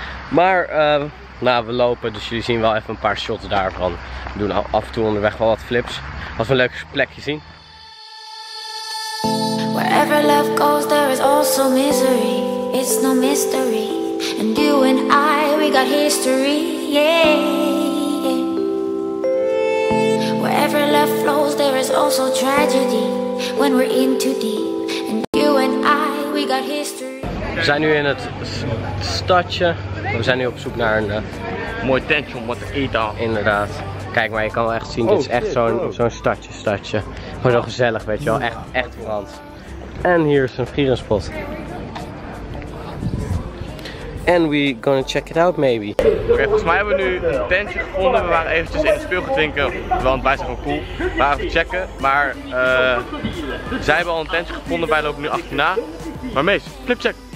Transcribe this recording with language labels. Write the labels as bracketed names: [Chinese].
[Dutch] Maar nou, we lopen, dus jullie zien wel even een paar shots daarvan. We doen af en toe onderweg wel wat flips. Als we een leuk plekje zien. [English] Wherever love goes, there is also misery. It's no mystery. And you and I, we got history. Yeah. Wherever love flows, there is also tragedy. When we're in too deep, and you and I, we got history. [Dutch] We zijn nu in het stadje. We zijn nu op zoek naar een mooi tentje om wat te eten. Inderdaad. Kijk, maar je kan wel echt zien, dit is echt zo'n stadje. Gewoon zo gezellig, weet je wel. Echt Frans. En hier is een vrierenspot. [English] And we gonna check it out, maybe. [Dutch] Oké, volgens mij hebben we nu een tentje gevonden. We waren eventjes in het speelgoed drinken, want wij zijn gewoon cool. We waren even checken, maar zij hebben al een tentje gevonden. Wij lopen nu achterna. Maar Mees, flipcheck.